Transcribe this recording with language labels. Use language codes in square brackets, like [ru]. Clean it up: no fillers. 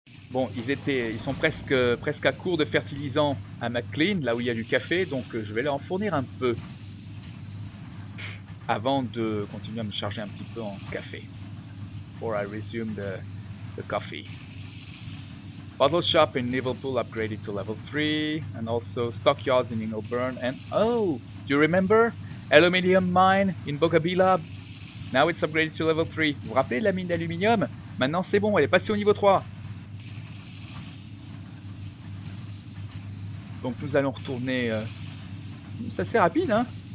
[fr] Bon, ils sont presque à court de fertilisant à McLean, là où il y a du café, donc je vais leur en fournir un peu avant de continuer à me charger un petit peu en café. [en] Before I resume the coffee. Bottle shop in Liverpool upgraded to level 3, and also stockyards in Ingleburn, and oh, do you remember? Aluminium mine in Bokabila, now it's upgraded to level 3. [fr] Vous vous rappelez de la mine d'aluminium? Maintenant c'est bon, elle est passée au niveau 3. Donc nous allons retourner, c'est assez rapide, hein?